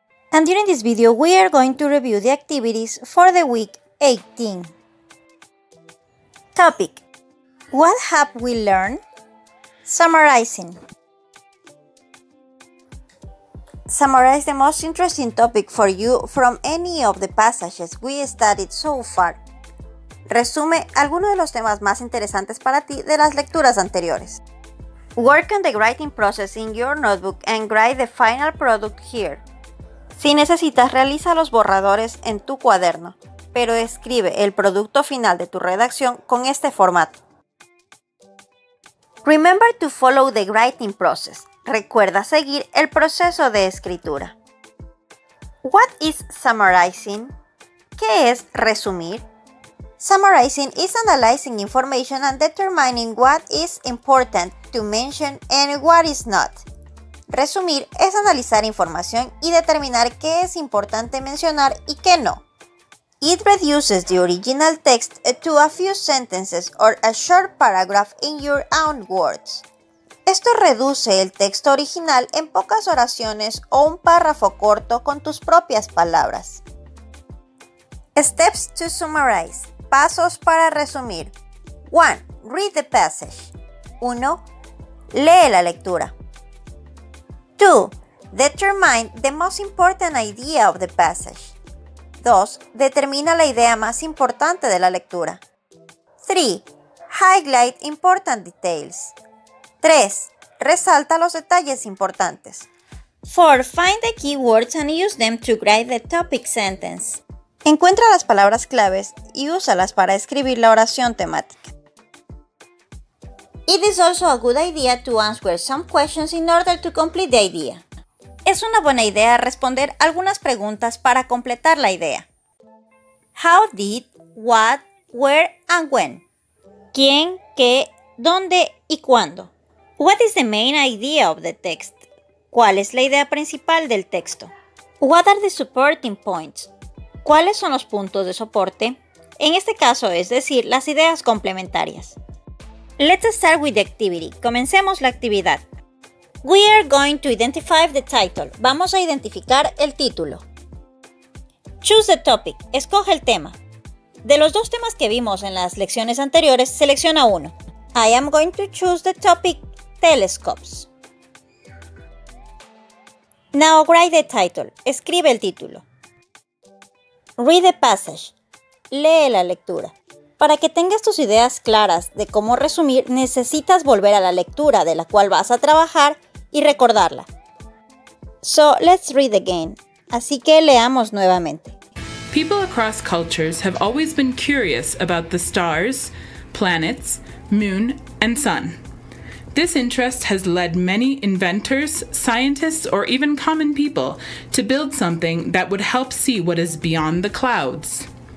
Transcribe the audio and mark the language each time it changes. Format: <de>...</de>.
<en>And during this video, we are going to review the activities for the week 18. Topic: what have we learned? Summarizing. Summarize the most interesting topic for you from any of the passages we studied so far.</en> <es>Resume algunos de los temas más interesantes para ti de las lecturas anteriores.</es> <en>Work on the writing process in your notebook and write the final product here.</en> <es>Si necesitas, realiza los borradores en tu cuaderno, pero escribe el producto final de tu redacción con este formato.</es> <en>Remember to follow the writing process.</en> <es>Recuerda seguir el proceso de escritura.</es> <en>What is summarizing?</en> <es>¿Qué es resumir?</es> <en>Summarizing is analyzing information and determining what is important to mention and what is not.</en> <es>Resumir es analizar información y determinar qué es importante mencionar y qué no.</es> <en>It reduces the original text to a few sentences or a short paragraph in your own words.</en> <es>Esto reduce el texto original en pocas oraciones o un párrafo corto con tus propias palabras.</es> <en>Steps to summarize.</en> <es>Pasos para resumir.</es> <en>1. Read the passage. 1.</en> <es>Lee la lectura.</es> <en>2. Determine the most important idea of the passage. 2.</en> <es>Determina la idea más importante de la lectura.</es> <en>3. Highlight important details. 3.</en> <es>Resalta los detalles importantes. 4.</es> <en>Find the keywords and use them to write the topic sentence.</en> <es>Encuentra las palabras claves y úsalas para escribir la oración temática.</es> <en>It is also a good idea to answer some questions in order to complete the idea.</en> <es>Es una buena idea responder algunas preguntas para completar la idea.</es> <en>How did, what, where, and when?</en> <es>¿Quién, qué, dónde y cuándo?</es> <en>What is the main idea of the text?</en> <es>¿Cuál es la idea principal del texto?</es> <en>What are the supporting points?</en> <es>¿Cuáles son los puntos de soporte? En este caso, es decir, las ideas complementarias.</es> <en>Let's start with the activity.</en> <es>Comencemos la actividad.</es> <en>We are going to identify the title.</en> <es>Vamos a identificar el título.</es> <en>Choose the topic.</en> <es>Escoge el tema. De los dos temas que vimos en las lecciones anteriores, selecciona uno.</es> <en>I am going to choose the topic telescopes. Now write the title.</en> <es>Escribe el título.</es> <en>Read the passage.</en> <es>Lee la lectura. Para que tengas tus ideas claras de cómo resumir, necesitas volver a la lectura de la cual vas a trabajar y recordarla.</es> <en>So, let's read again.</en> <es>Así que leamos nuevamente.</es> <en>People across cultures have always been curious about the stars, planets, moon, and sun. This interest has led many inventors, scientists, or even common people to build something that would help see what is beyond the clouds.</en>